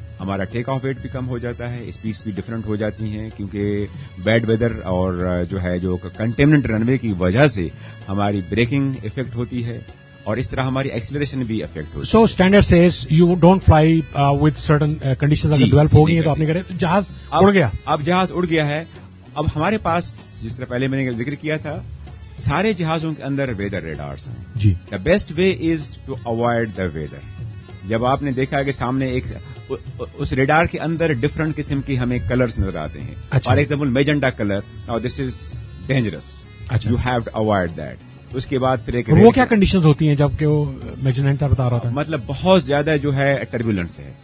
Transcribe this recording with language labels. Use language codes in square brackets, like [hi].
[ur] ہمارا ٹیک of wait بھی کم ہو جاتا ہے، اسپیڈس بھی ڈفرنٹ ہو جاتی ہیں، کیونکہ بیڈ ویدر اور جو ہے جو کنٹیمنٹ رن وے کی وجہ سے ہماری بریکنگ افیکٹ ہوتی ہے اور اس طرح ہماری ایکسلریشن بھی افیکٹ ہوتی ہے. [en] so standard says you don't fly with certain conditions [ur] اگر ڈیولپ ہو گئی ہیں تو آپ نے کہا جہاز اڑ گیا. اب جہاز اڑ گیا ہے، اب ہمارے پاس جس طرح پہلے میں نے ذکر کیا تھا سارے جہازوں کے اندر ویدر ریڈارز ہیں. جی [en] The best way is to avoid the weather. [ur] جب آپ نے دیکھا کہ سامنے ایک اس ریڈار کے اندر ڈفرنٹ قسم کی ہمیں کلرز نظر آتے ہیں، for example magenta colour, [en] Now this is dangerous, you have to avoid that. [ur] اس کے بعد پھر ایک وہ کیا کنڈیشنز ہوتی ہیں جبکہ وہ میجنٹا بتا رہا تھا، مطلب بہت زیادہ جو ہے ٹربولنس ہے.